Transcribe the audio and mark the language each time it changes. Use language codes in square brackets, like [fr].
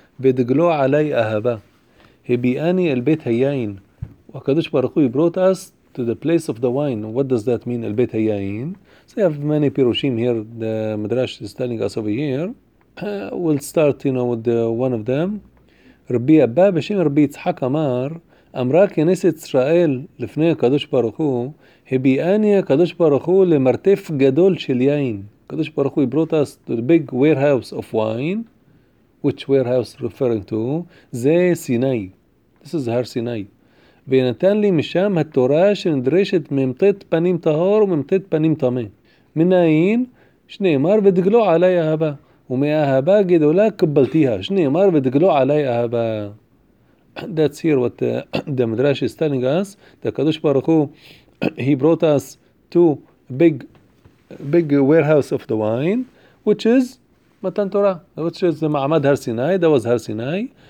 [he] ודגלו עלי אהבה. הביאני אל בית היין. [en] הקדוש ברוך הוא brought us to the place of the wine. What does that mean, [he] אל בית היין? [en] So you have many פירושים here. The מדרש is telling us over here. We'll start, you know, with one of them. [he] רבי אבא בשם רבי יצחק אמר, אמרה כנסת ישראל לפני הקדוש ברוך הוא, הביאני הקדוש ברוך הוא למרתף גדול של יין. [en] הקדוש ברוך הוא brought us to the big warehouse of wine. Which warehouse referring to? [he] זה סיני. [en] This is הר סיני. [he] ונתן לי משם התורה שנדרשת ממתת פנים טהור וממתת פנים טמא. מנעין שנאמר ודגלו עליי אהבה. ומאהבה גדולה קבלתיה. שנאמר ודגלו עליי אהבה. [en] That's here what the Midrash is telling us. The Kadosh Baruch Hu, he brought us to big warehouse of the wine, which is Matan Torah, which is the Ma'amad Har Sinai. That was Har Sinai.